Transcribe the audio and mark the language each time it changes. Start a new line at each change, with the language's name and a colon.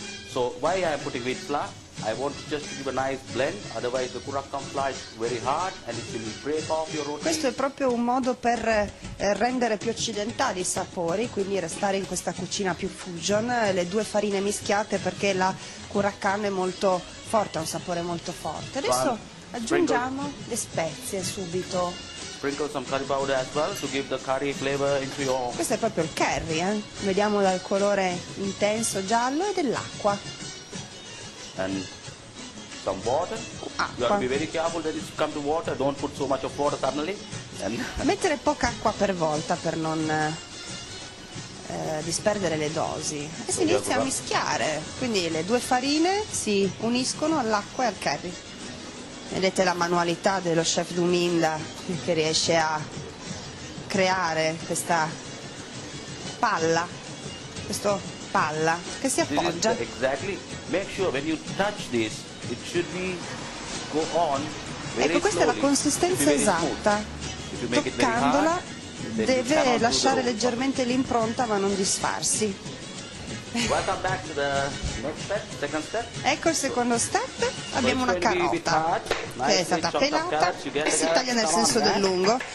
English: So why I am putting wheat flour? I want just to give a nice blend, otherwise the curacan flour is very hard and it will break off your roti.
Italian: Questo è proprio un modo per rendere più occidentali i sapori, quindi restare in questa cucina più fusion, le due farine mischiate, perché la curacan è molto forte, ha un sapore molto forte. Adesso aggiungiamo le spezie subito.
English: Sprinkle some curry powder as well to give the curry flavor into your.
Italian: Questo è proprio il curry, eh? Vediamo dal colore intenso giallo e dell'acqua.
English: And some water.
Italian: Acqua.
English: You have to be very careful that it comes to water. Don't put so much of water suddenly.
Italian: And mettere poca acqua per volta per non disperdere le dosi. E si inizia a mischiare. Quindi le due farine si uniscono all'acqua e al curry. Vedete la manualità dello chef Duminda che riesce a creare questa palla, questo palla che si appoggia.
English: Exactly. Make sure when you touch this, it should be go on.
Italian: Ecco, questa è la consistenza esatta. Toccandola deve lasciare leggermente l'impronta ma non disfarsi.
English: Welcome back to the next step, second step.
Italian: Ecco il secondo step, abbiamo una carota che è stata pelata e si taglia nel senso del lungo.